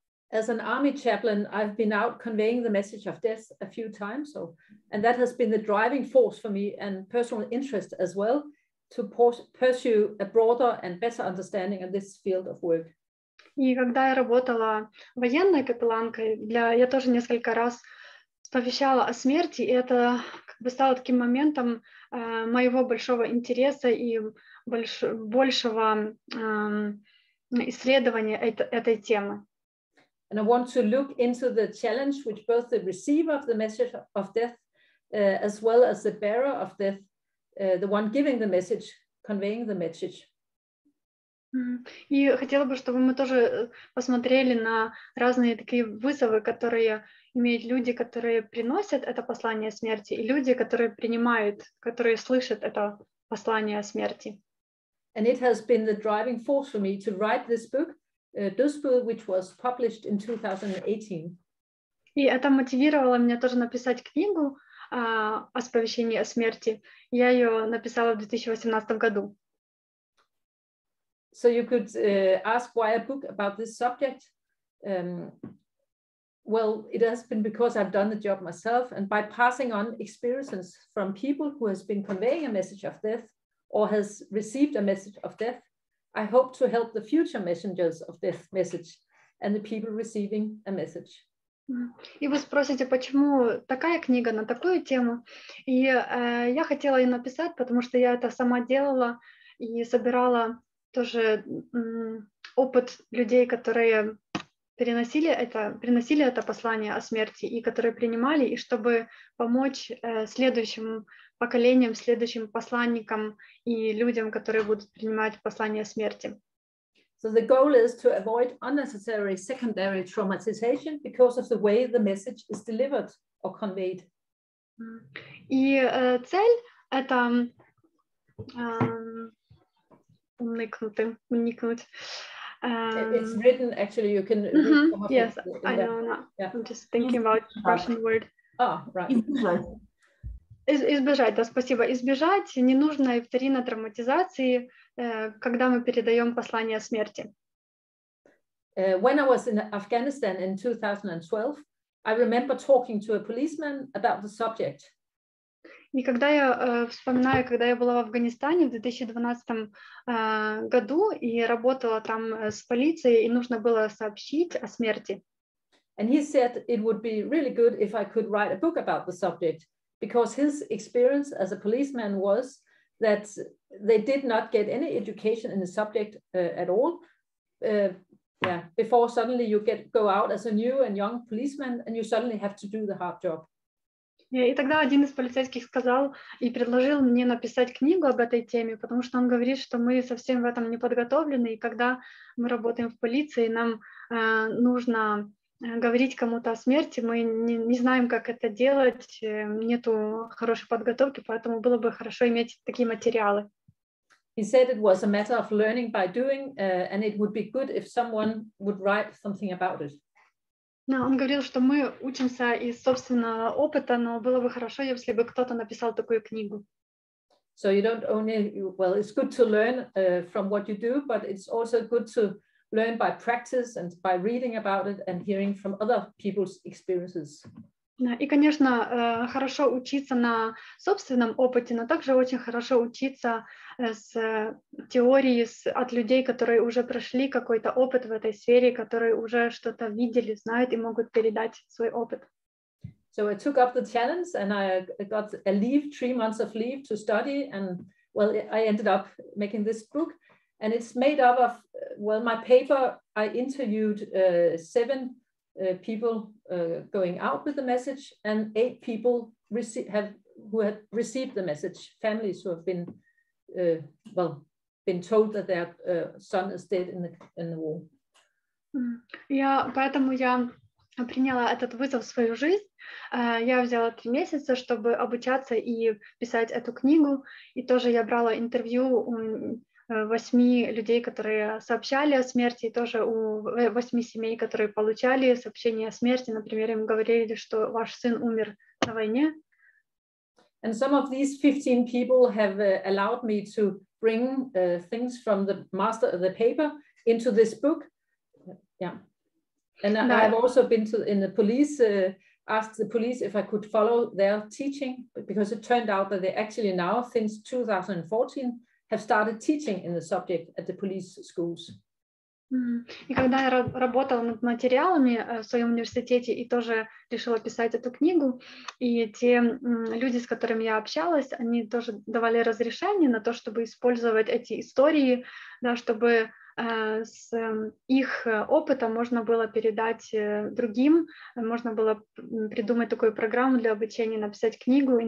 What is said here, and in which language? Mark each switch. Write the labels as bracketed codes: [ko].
[en] As an army chaplain, I've been out conveying the message of death a few times, so, and that has been the driving force for me and personal interest as well. To pursue a broader and better understanding of this field of work. [ru] И когда я работала военной капелланкой, я тоже несколько раз сповещала о смерти, и это как бы стало таким моментом моего большого интереса и большего исследования этой темы. [en] And I want to look into the challenge which both the receiver of the message of death as well as the bearer of death the one giving the message, conveying the message. [ru] И хотела бы, чтобы мы тоже посмотрели на разные такие вызовы, которые имеют люди, которые приносят это послание смерти, и люди, которые принимают, которые слышат это послание смерти. [en] And it has been the driving force for me to write this book, Dødsbud, which was published in 2018. [ru] И это мотивировало меня тоже написать книгу, о сповещении о смерти. Я ее написала в 2018 году. [en] So you could ask why a book about this subject. Well, it has been because I've done the job myself and by passing on experiences from people who has been conveying a message of death or has received a message of death, I hope to help the future messengers of this message and the people receiving a message. [ru] И вы спросите, почему такая книга на такую тему? И я хотела ее написать, потому что я это сама делала и собирала тоже опыт людей, которые приносили это послание о смерти и которые принимали, и чтобы помочь следующим поколениям, следующим посланникам и людям, которые будут принимать послание о смерти. [en] So the goal is to avoid unnecessary secondary traumatization because of the way the message is delivered or conveyed. [ru] И цель это [en] It's written actually you can Yes, I know. I'm just thinking about Russian word. [ru] Избежать, да, спасибо. Избежать ненужной вторичной травматизации, когда мы передаем послание смерти. [en] When I was in Afghanistan in 2012, I remember talking to a policeman about the subject. [ru] И когда я вспоминаю, когда я была в Афганистане в 2012 году и работала там с полицией, и нужно было сообщить о смерти. [en] And he said it would be really good if I could write a book about the subject. Because his experience as a policeman was that they did not get any education in the subject at all. Yeah, before suddenly you go out as a new and young policeman and you suddenly have to do the hard job. [ru] Yeah, и тогда один из полицейских сказал и предложил мне написать книгу об этой теме, потому что он говорит, что мы совсем в этом не подготовлены, и когда мы работаем в полиции, нам нужно говорить кому-то о смерти, мы не знаем, как это делать, нету хорошей подготовки, поэтому было бы хорошо иметь такие материалы. [en] He said it was a matter of learning by doing, and it would be good if someone would write something about it. [ru] Но он говорил, что мы учимся из собственного опыта, но было бы хорошо, если бы кто-то написал такую книгу. [en] So you don't only, well, it's good to learn from what you do, but it's also good to learn by practice and by reading about it and hearing from other people's experiences. [ru] И, конечно, хорошо учиться на собственном опыте, но также очень хорошо учиться с теории от людей, которые уже прошли какой-то опыт в этой сфере, которые уже что-то видели, знают и могут передать свой опыт. [en] So I took up the challenge and I got a leave, 3 months of leave to study, and well, I ended up making this book. And it's made up of, well, my paper, I interviewed 7 people going out with the message, and 8 people have received the message, families who have been been told that their son is dead in the war. [ru] Я поэтому я приняла этот вызов в свою жизнь. Я взяла 3 месяца, чтобы обучаться и писать эту книгу, и тоже я брала интервью у 8 людей, которые сообщали о смерти, и тоже у 8 семей, которые получали сообщение о смерти, например, им говорили, что ваш сын умер на войне. [en] And some of these 15 people have allowed me to bring things from the master of the paper into this book. Yeah. And да. I've also been in the police, asked the police if I could follow their teaching, because it turned out that they actually now, since 2014, have started teaching in the subject at the police schools. [ru] И когда я работала над материалами в своем университете и тоже решила писать эту книгу, и те люди, с которыми я общалась, они тоже давали разрешение на то, чтобы использовать эти истории, да, чтобы с их опытом можно было передать другим, можно было придумать такую программу для обучения, написать книгу.